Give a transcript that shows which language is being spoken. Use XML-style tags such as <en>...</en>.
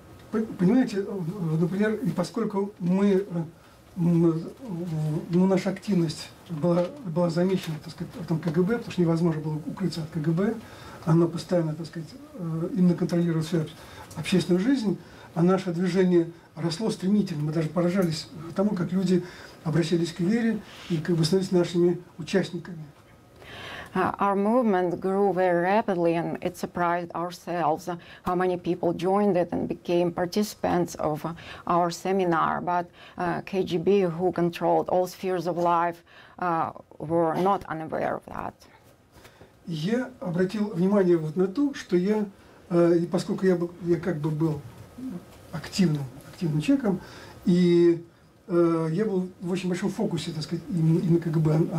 <ru>Понимаете, например, и поскольку мы, ну, наша активность была замечена, так сказать, в этом КГБ, потому что невозможно было укрыться от КГБ, оно постоянно, так сказать, именно контролировало всю общественную жизнь, а наше движение росло стремительно. Мы даже поражались тому, как люди обращались к вере и как бы становились нашими участниками.</ru> <en>Our movement grew very rapidly, and it surprised ourselves how many people joined it and became participants of our seminar. But KGB, who controlled all spheres of life, were not unaware of that.</en> <ru>Я обратил внимание вот на то, что я, поскольку я как бы был активным человеком, и я был в очень большом фокусе, так сказать, именно КГБ.</ru>